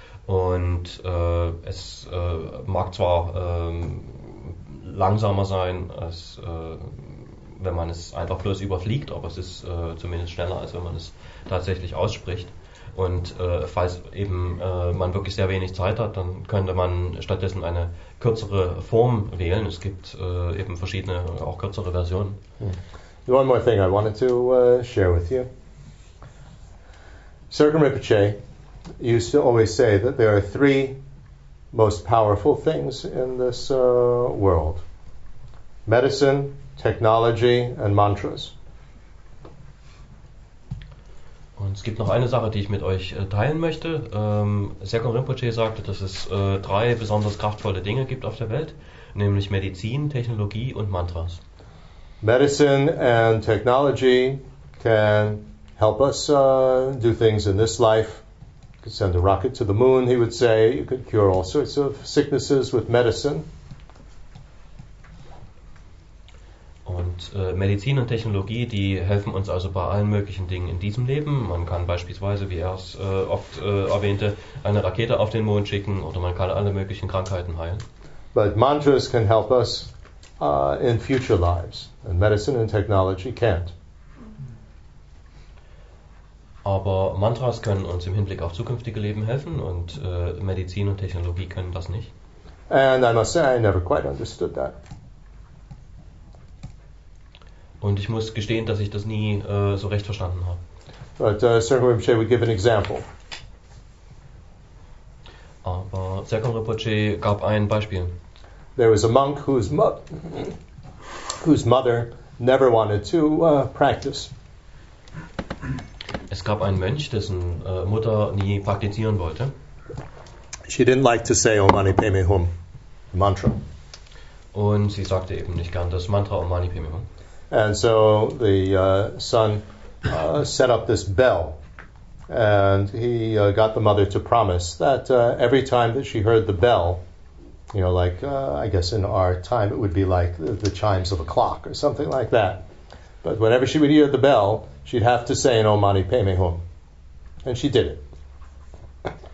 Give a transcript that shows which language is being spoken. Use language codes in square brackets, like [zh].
[de] Und es mag zwar langsamer sein, als wenn man es einfach bloß überfliegt, aber es ist zumindest schneller, als wenn man es tatsächlich ausspricht. Und falls eben man wirklich sehr wenig Zeit hat, dann könnte man stattdessen eine kürzere Form wählen. Es gibt eben verschiedene, auch kürzere Versionen. [en] One more thing I wanted to share with you. Sergen Rinpoche used to always say that there are three most powerful things in this world. Medicine, technology and mantras. [de] Und es gibt noch eine Sache, die ich mit euch teilen möchte. Sergen Rinpoche sagte, dass es drei besonders kraftvolle Dinge gibt auf der Welt, nämlich Medizin, Technologie und Mantras. [en] Medicine and technology can help us do things in this life. You could send a rocket to the moon, he would say. You could cure all sorts of sicknesses with medicine. [de] Und Medizin und Technologie, die helfen uns also bei allen möglichen Dingen in diesem Leben. Man kann beispielsweise, wie er es oft erwähnte, eine Rakete auf den Mond schicken oder man kann alle möglichen Krankheiten heilen. [en] But mantras can help us in future lives, and medicine and technology can't. [de] Aber Mantras können uns im Hinblick auf zukünftige Leben helfen und Medizin und Technologie können das nicht. [en] And I must say, I never quite understood that. [de] Und ich muss gestehen, dass ich das nie so recht verstanden habe. [en] But Sergen Rinpoche would give an example. [de] Aber Sergen Rinpoche gab ein Beispiel. [en] There was a monk whose mother never wanted to practice. [de] Es gab einen Mönch, dessen Mutter nie praktizieren wollte. [en] She didn't like to say Om Mani Padme Hum, the mantra. [de] Und sie sagte eben nicht gern das Mantra Om Mani Padme Hum. [en] And so the son set up this bell, and he got the mother to promise that every time that she heard the bell, you know, like I guess in our time it would be like the chimes of a clock or something like that, but whenever she would hear the bell, she'd have to say an Om Mani Padme Hum, and she did it.